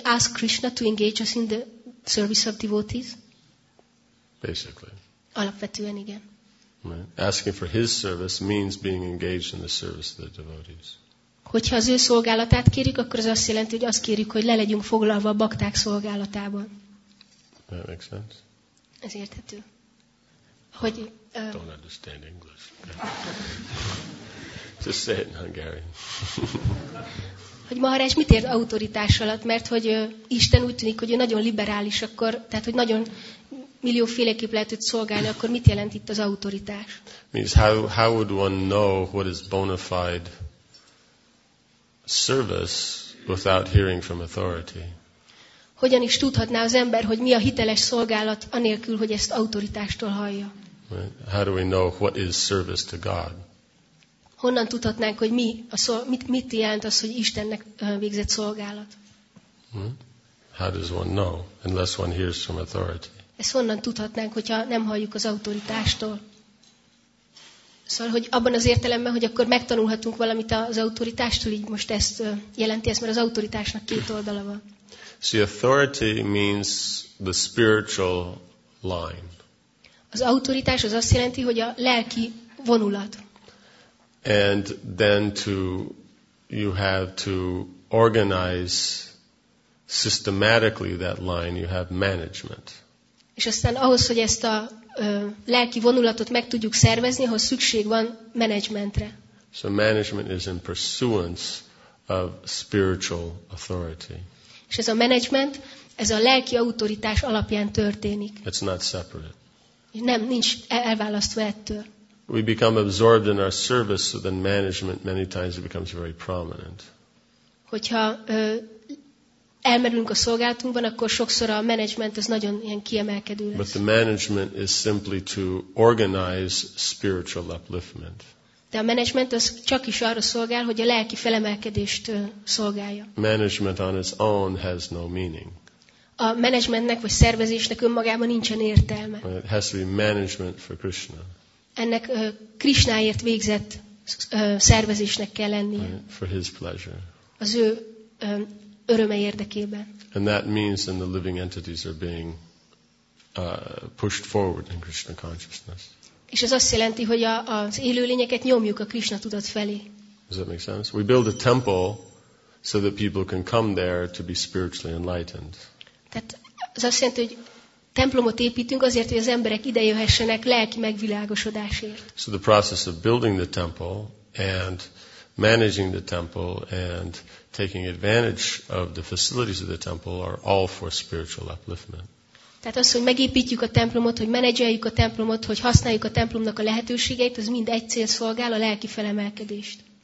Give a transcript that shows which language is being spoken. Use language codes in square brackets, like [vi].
[en] ask Krishna to engage us in the service of devotees. Basically. [hu] Alapvetően igen. [en] Right. Asking for his service means being engaged in the service of the devotees. [hu] Hogyha az ő szolgálatát kérjük, akkor az azt jelenti, hogy azt kérjük, hogy le legyünk foglalva a bakták szolgálatában. [en] That makes sense. [hu] Ez érthető. Hogy, [en] don't understand English. Just say it in Hungarian. [hu] Hogy Maharaj mit ért autoritás alatt? Mert hogy Isten úgy tűnik, hogy ő nagyon liberális, akkor, tehát hogy nagyon millióféleképp lehet őt szolgálni, akkor mit jelent itt az autoritás? [en] Means how would one know what is bona fide service without hearing from authority. [hu] Hogyan is tudhatná az ember, hogy mi a hiteles szolgálat anélkül, hogy ezt autoritástól hallja? [en] How do we know what is service to God? [hu] Honnan tudhatnánk, hogy mit jelent az, hogy Istennek végzett szolgálat? [en] How does one know unless one hears from authority? [hu] Ezt honnan tudhatnánk, hogyha nem halljuk az autoritástól? Szóval, hogy abban az értelemben, hogy akkor megtanulhatunk valamit az autoritástól, így most ezt jelenti ezt, mert az autoritásnak két oldala van. [en] See, authority means the spiritual line. [hu] Az autoritás az azt jelenti, hogy a lelki vonulat. [en] And then to you have to organize systematically that line, you have management. [hu] És aztán ahhoz, hogy ezt a lelki vonulatot meg tudjuk szervezni, ahhoz szükség van menedzsmentre. [en] So management is in pursuance of spiritual authority. [hu] És ez a menedzsment, ez a lelki autoritás alapján történik. [en] It's not separate. [hu] Nem, nincs elválasztva ettől. [en] We become absorbed in our service, so then management many times becomes very prominent. [hu] Hogyha elmerülünk a szolgálatunkban, akkor sokszor a management az nagyon ilyen kiemelkedő lesz. [en] But the management is simply to organize spiritual upliftment. [hu] De a management az csak is arra szolgál, hogy a lelki felemelkedést szolgálja. [en] Management on its own has no meaning. [hu] A managementnek vagy szervezésnek önmagában nincsen értelme. [en] It has to be management for Krishna. [hu] Ennek Krishnáért végzett szervezésnek kell lennie. [en] For his pleasure. [hu] Az ő öröme érdekében. [en] And that means that the living entities are being pushed forward in Krishna consciousness. [hu] És ez azt jelenti, hogy az élőlényeket nyomjuk a Krishna tudat felé. [en] Does that make sense? We build a temple so that people can come there to be spiritually enlightened. [hu] Tehát ez azt jelenti, hogy templomot építünk azért, hogy az emberek ide jöhessenek lelki megvilágosodásért. [en] So the process of building the temple and managing the temple and taking advantage of the facilities of the temple are all for spiritual upliftment. [hu] Tehát az, hogy megépítjük a templomot, hogy menedzseljük a templomot, hogy használjuk a templomnak a lehetőségeit, az mind egy cél szolgál, a lelki felemelkedést.